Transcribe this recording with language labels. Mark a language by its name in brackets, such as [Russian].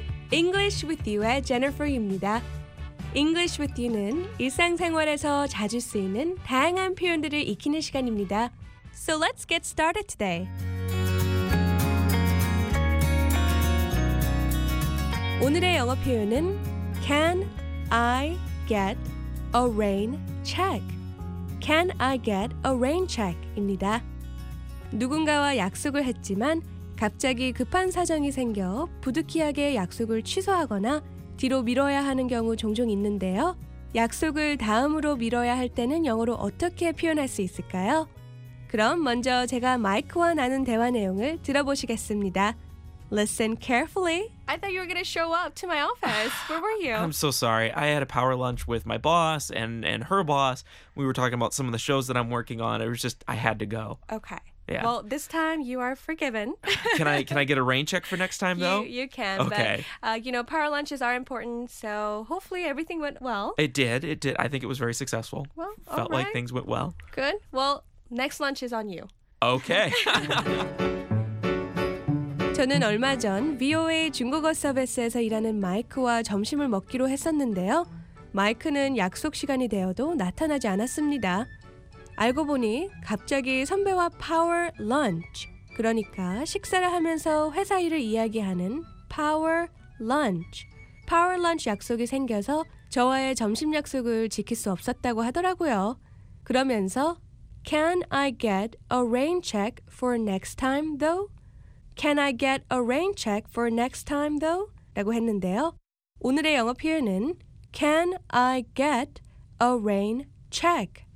[Korean] English with you의 Jennifer입니다. English with you는 일상생활에서 자주 쓰이는 다양한 표현들을 익히는 시간입니다. [English] So let's get started today. [Korean] 오늘의 영어 표현은 [English] Can I get a rain check? Can I get a rain check?입니다. [Korean] 누군가와 약속을 했지만 갑자기 급한 사정이 생겨 부득이하게 약속을 취소하거나 뒤로 미뤄야 하는 경우 종종 있는데요. 약속을 다음으로 미뤄야 할 때는 영어로 어떻게 표현할 수 있을까요? 그럼 먼저 제가 마이크와 나눈 대화 내용을 들어보시겠습니다. [English] Listen carefully. I thought you were going to show up to my office. Where were you? I'm so sorry. I had a power lunch with my boss and her boss. We were talking about some of the shows that I'm working on. It was just, I had to go. Okay. Yeah. Well, this time you are forgiven. can I get a rain check for next time, though? You can. Okay. But, you know, power lunches are important, so hopefully everything went well. It did. I think it was very successful. Well, all right. Felt like things went well. Good. Well, next lunch is on you. Okay. [Korean] 저는 얼마 전 VOA 중국어 서비스에서 일하는 마이크와 점심을 먹기로 했었는데요. 마이크는 약속 시간이 되어도 나타나지 않았습니다. 알고 보니 갑자기 선배와 파워 런치, 그러니까 식사를 하면서 회사 일을 이야기하는 파워 런치, 파워 런치 약속이 생겨서 저와의 점심 약속을 지킬 수 없었다고 하더라고요. 그러면서 [English] Can I get a rain check for next time though? Can I get a rain check for next time though? [Korean] 라고 했는데요. 오늘의 영어 표현은 [English] Can I get a rain check?